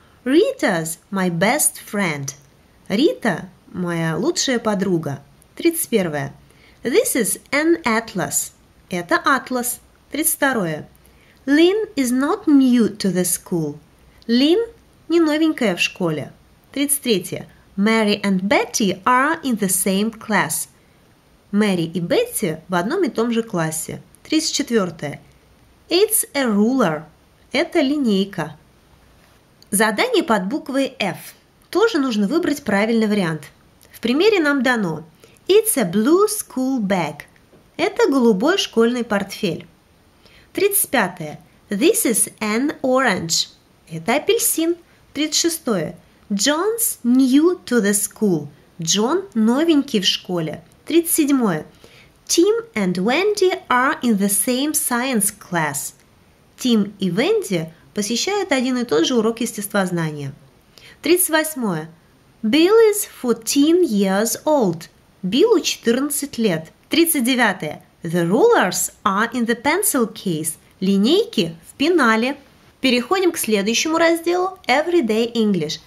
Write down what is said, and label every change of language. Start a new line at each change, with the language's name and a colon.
English: Rita's my best friend.
Russian: Рита – моя лучшая подруга.
English: 31-е. This is an atlas.
Russian: Это атлас.
English: 32-е. Lynn is not new to the school.
Russian: Lynn не новенькая в школе. 33-е.
English: Mary and Betty are in the same class.
Russian: Мэри и Бетти в одном и том же классе.
English: 34-е. It's a ruler.
Russian: Это линейка. Задание под буквой F. Тоже нужно выбрать правильный вариант. В примере нам дано.
English: It's a blue school bag.
Russian: Это голубой школьный портфель.
English: 35-е. This is an orange.
Russian: Это апельсин.
English: 36-е. John's new to the school.
Russian: Джон новенький в школе.
English: 37-е. Tim and Wendy are in the same science class.
Russian: Тим и Венди посещают один и тот же урок естествознания.
English: 38-е. Bill is 14 years old.
Russian: Биллу 14 лет.
English: 39-е. The rulers are in the pencil case.
Russian: Линейки в пенале. Переходим к следующему разделу Everyday English.